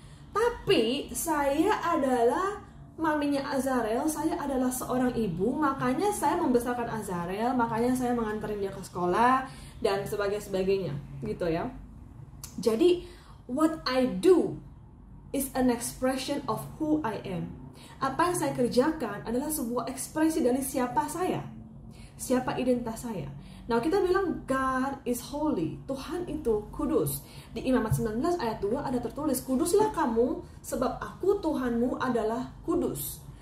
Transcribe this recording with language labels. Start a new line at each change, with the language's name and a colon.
Indonesian: Tapi saya adalah maminya Azarel, saya adalah seorang ibu, makanya saya membesarkan Azarel, makanya saya menganterin dia ke sekolah dan sebagainya, gitu ya. Jadi
English: what I do is an expression of who I am.
Indonesian: Apa yang saya kerjakan adalah sebuah ekspresi dari siapa saya, siapa identitas saya. Nah, kita bilang
English: God is holy,
Indonesian: Tuhan itu kudus. Di Imamat 19 ayat 2 ada tertulis, kuduslah kamu sebab aku Tuhanmu adalah kudus.